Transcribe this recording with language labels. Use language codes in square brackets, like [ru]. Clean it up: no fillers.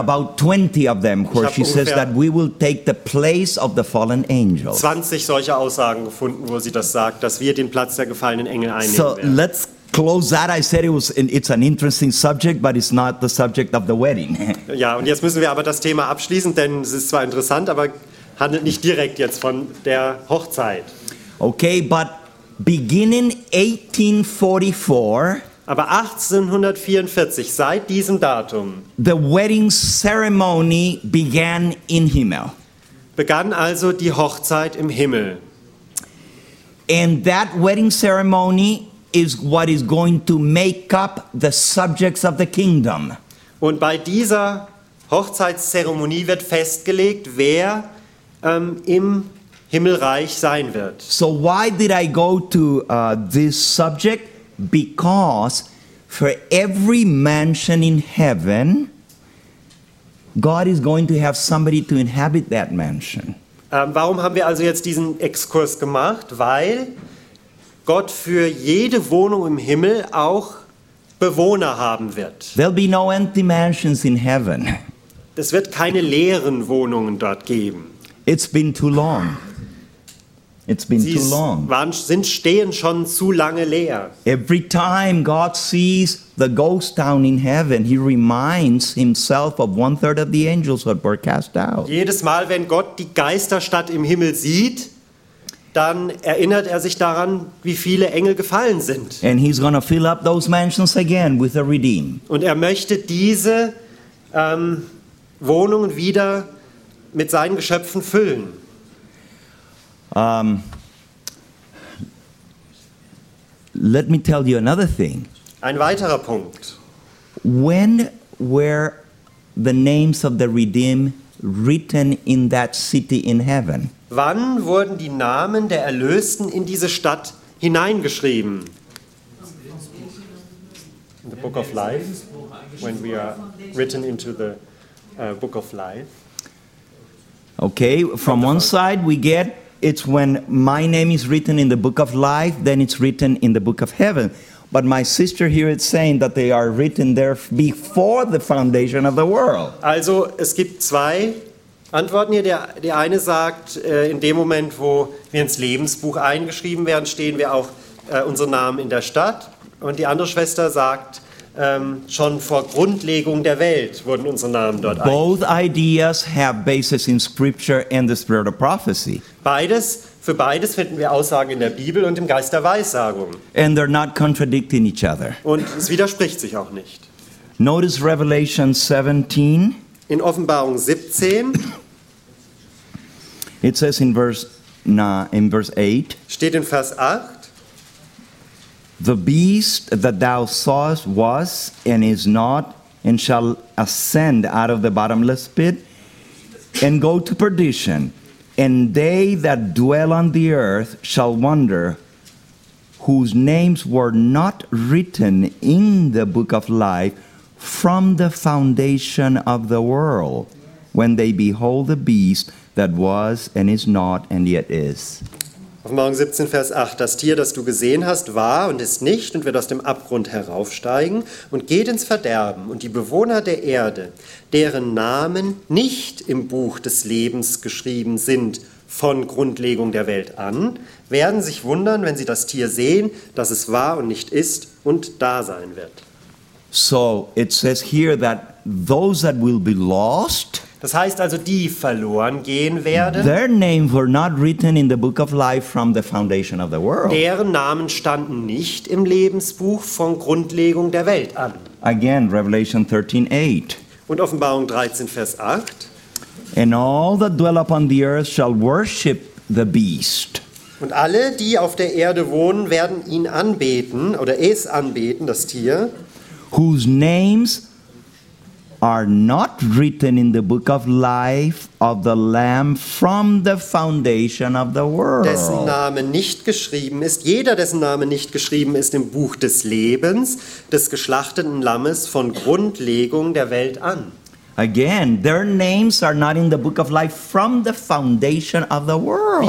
[en] About 20 of them where she says that we will take the place of the fallen angels. [de] 20 solche Aussagen gefunden, wo sie das sagt, dass wir den Platz der gefallenen Engel einnehmen so werden. [en] Let's close that. I said it's an interesting subject, but it's not the subject of the wedding. [de] Ja, und jetzt müssen wir aber das Thema abschließen, denn es ist zwar interessant, aber handelt nicht direkt jetzt von der Hochzeit. [en] Okay, but beginning 1844, [de] aber 1844, seit diesem Datum, [en] the wedding ceremony began in Himmel. [de] Begann also die Hochzeit im Himmel. [en] And that wedding ceremony is what is going to make up the subjects of the kingdom. [de] Und bei dieser Hochzeitszeremonie wird festgelegt, wer im Himmelreich sein wird. [en] So why did I go to this subject? Because for every mansion in heaven, God is going to have somebody to inhabit that mansion. [de] Warum haben wir also jetzt diesen Exkurs gemacht? Weil Gott für jede Wohnung im Himmel auch Bewohner haben wird. [en] There'll be no empty mansions in heaven. [de] Es wird keine leeren Wohnungen dort geben. [en] It's been too long. It's been [de] Sie [en] too long. [de] Waren, sind stehen schon zu lange leer. [en] Every time God sees the ghost town in heaven, he reminds himself of 1/3 of the angels that were cast out. [de] Jedes Mal, wenn Gott die Geisterstadt im Himmel sieht, dann erinnert sich daran, wie viele Engel gefallen sind. [en] And he's going to fill up those mansions again with a redeem. [de] Und möchte diese Wohnungen wieder mit seinen Geschöpfen füllen. [en] Let me tell you another thing. [de] Ein weiterer Punkt. [en] When were the names of the redeemed written in that city in heaven? [de] Wann wurden die Namen der Erlösten in diese Stadt hineingeschrieben? [en] In the Book of Life, when we are written into the Book of Life. Okay, from one side we get it's when my name is written in the Book of Life, then it's written in the Book of Heaven. But my sister here is saying that they are written there before the foundation of the world. [de] Also, es gibt zwei Antworten hier. Die eine sagt, in dem Moment, wo wir ins Lebensbuch eingeschrieben werden, stehen wir auch unseren Namen in der Stadt. Und die andere Schwester sagt, schon vor Grundlegung der Welt wurden unsere Namen dort eingeschrieben. [en] Both ideas have basis in Scripture and the Spirit of Prophecy. [de] Für beides finden wir Aussagen in der Bibel und im Geist der Weissagung. [en] And they're not contradicting each other. [de] Und es widerspricht sich auch nicht. [en] Notice Revelation 17. [de] In Offenbarung 17. [en] It says in verse 8. [de] Steht in Vers 8. [en] The beast that thou sawest was and is not and shall ascend out of the bottomless pit and go to perdition. And they that dwell on the earth shall wonder whose names were not written in the book of life from the foundation of the world when they behold the beast that was and is not and yet is. [de] Offenbarung 17, Vers 8. Das Tier, das du gesehen hast, war und ist nicht und wird aus dem Abgrund heraufsteigen und geht ins Verderben. Und die Bewohner der Erde, deren Namen nicht im Buch des Lebens geschrieben sind von Grundlegung der Welt an, werden sich wundern, wenn sie das Tier sehen, dass es war und nicht ist und da sein wird. [en] So it says here that those that will be lost, [de] das heißt also, die verloren gehen werden, [en] their names were not written in the book of life from the foundation of the world. [de] Deren Namen standen nicht im Lebensbuch von Grundlegung der Welt an. [en] Again, Revelation 13:8. [de] Und Offenbarung 13, Vers 8. [en] And all that dwell upon the earth shall worship the beast. [de] Und alle, die auf der Erde wohnen, werden ihn anbeten, oder es anbeten, das Tier, [en] whose names are not written in the book of life of the Lamb from the foundation of the world. [de] Dessen Name nicht geschrieben ist, jeder, dessen Name nicht geschrieben ist im Buch des Lebens, des geschlachteten Lammes von Grundlegung der Welt an. [en] Again, their names are not in the book of life from the foundation of the world.